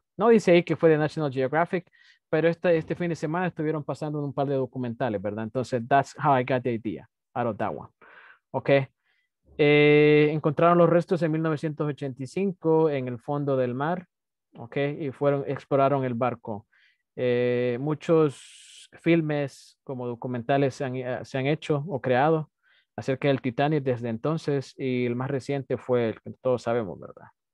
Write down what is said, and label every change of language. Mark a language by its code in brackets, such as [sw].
[es] No dice ahí que fue de National Geographic, pero este fin de semana estuvieron pasando un par de documentales, ¿verdad? [en] Entonces, that's how I got the idea out of that one, okay? [es] Encontraron los restos en 1985 en el fondo del mar, okay? Y exploraron el barco. Muchos filmes como documentales se han hecho o creado acerca del Titanic desde entonces, y el más reciente fue el que todos sabemos, ¿verdad?